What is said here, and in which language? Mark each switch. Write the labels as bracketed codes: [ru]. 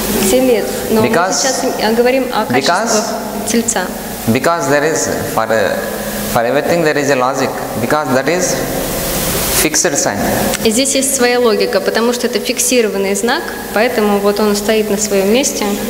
[ru] Телец. Но мы сейчас говорим о качествах. [en] Because there is for everything there is a logic. Because that is fixed sign. [ru] И здесь есть своя логика, потому что это фиксированный знак, поэтому вот он стоит на своем месте.